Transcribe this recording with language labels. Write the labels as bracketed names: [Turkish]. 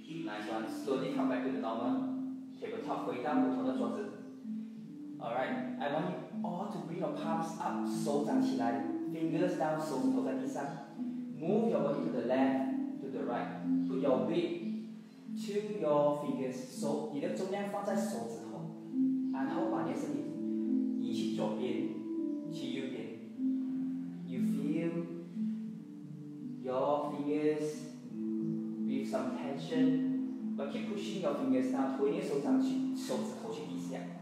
[English] Nice one. Slowly come back to the normal. Take a top, [Chinese] 回到普通的桌子。 [English] All right. I want you all to bring your palms up, [Chinese] 手掌起来。 [English] Fingers down, [Chinese] 手指头在地上。 [English] Move your body to the left, to the right. Put your weight to your fingers. [Chinese] So, 你的重量放在手指头，然后把你的身体移去左边，去右边。 [English] You feel your fingers with some tension, but keep pushing your fingers down. [Chinese] 推你的手掌去手指头去底下。